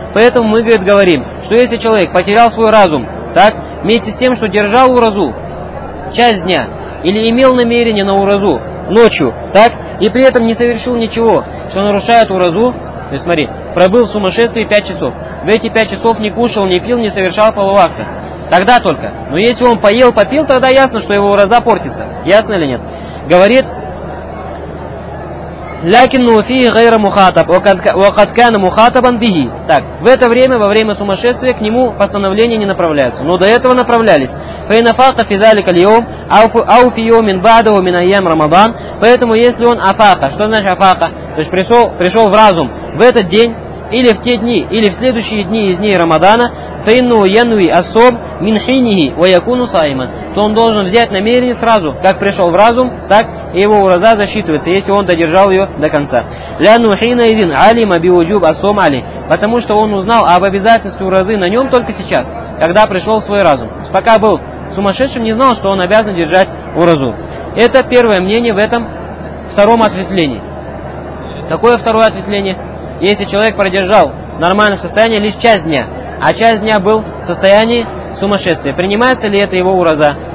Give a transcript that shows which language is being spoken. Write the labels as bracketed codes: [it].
[ru] Поэтому мы, говорит, говорим, что если человек потерял свой разум, так, вместе с тем, что держал уразу часть дня, или имел намерение на уразу ночью, так, и при этом не совершил ничего, что нарушает уразу, то есть смотри, пробыл в сумасшествии 5 часов, в эти 5 часов не кушал, не пил, не совершал полуакта, тогда только. Но если он поел, попил, тогда ясно, что его ураза портится. Ясно или нет? Говорит, [ar] لكنه فيه غير مخاطب وقد كان مخاطبا به. [ru] Так, в это время, во время сумасшествия, к нему постановления не направляются. Но до этого направлялись. [ar] فينفاق في ذلك اليوم أو في يوم بعده من أيام رمضان. [ru] Поэтому если он афака, что значит афака? То есть пришел в разум в этот день, или в те дни, или в следующие дни из дней Рамадана, [ar] فإنه ينوي الصوم من حينه ويكون صائما. [ru] То он должен взять намерение сразу, как пришел в разум, так и его ураза засчитывается, если он додержал ее до конца. [ar] لأنه حينئذ علم بوجوب الصوم عليه. [ru] Потому что он узнал об обязательности уразы на нем только сейчас, когда пришел в свой разум. То есть пока был сумасшедшим, не знал, что он обязан держать уразу. Это первое мнение в этом втором ответвлении. Какое второе ответвление? Если человек продержал в нормальном состоянии лишь часть дня, а часть дня был в состоянии сумасшествия, принимается ли это его ураза?